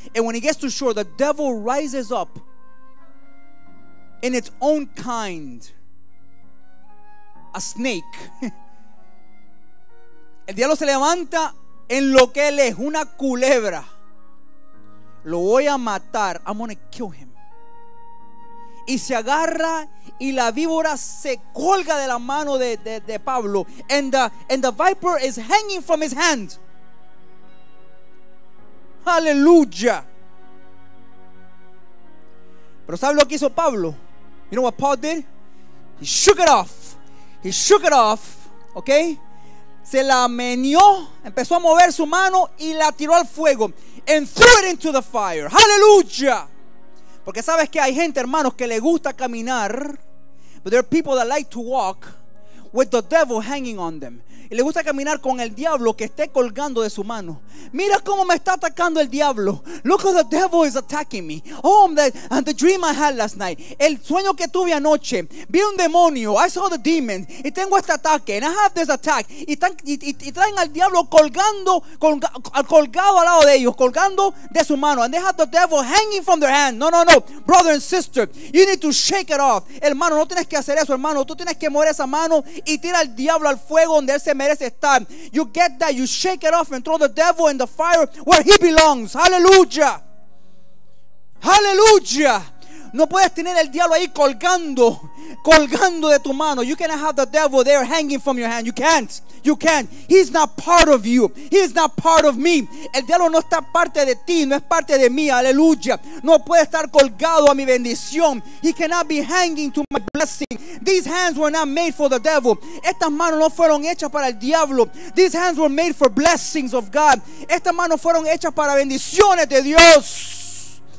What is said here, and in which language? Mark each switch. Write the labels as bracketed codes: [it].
[en] And when he gets to shore, the devil rises up in its own kind, a snake. [es] El diablo se levanta en lo que él es, una culebra. Lo voy a matar. [en] I'm gonna kill him. [es] Y se agarra, y la víbora se colga de la mano de Pablo. And the viper is hanging from his hand. Aleluya. Pero ¿sabe lo que hizo Pablo? [en] You know what Paul did? He shook it off. He shook it off. Okay? [es] Se la meneó. Empezó a mover su mano y la tiró al fuego. [en] And threw it into the fire. [es] Aleluya. Porque sabes que hay gente, hermanos, que le gusta caminar. [en] But there are people that like to walk with the devil hanging on them. [es] Y le gusta caminar con el diablo que esté colgando de su mano. Mira cómo me está atacando el diablo. [en] Look how the devil is attacking me. Oh, the dream I had last night. [es] El sueño que tuve anoche. Vi un demonio. [en] I saw the demon. [es] Y tengo este ataque. [en] And I have this attack. [es] Y traen al diablo colgado al lado de ellos. Colgando de su mano. [en] And they have the devil hanging from their hand. No, no, no. Brother and sister, you need to shake it off. [es] Hermano, no tienes que hacer eso, hermano. Tú tienes que mover esa mano y tira al diablo al fuego donde él se merece estar. [en] You get that, you shake it off and throw the devil in the fire where he belongs. Hallelujah. Hallelujah. [es] No puedes tener el diablo ahí colgando de tu mano. [en] You cannot have the devil there hanging from your hand. You can't. He's not part of you. He's not part of me. [es] El diablo no está parte de ti, no es parte de mí. Aleluya. No puede estar colgado a mi bendición. [en] He cannot be hanging to my blessing. These hands were not made for the devil. [es] Estas manos no fueron hechas para el diablo. [en] These hands were made for blessings of God. [es] Estas manos fueron hechas para bendiciones de Dios.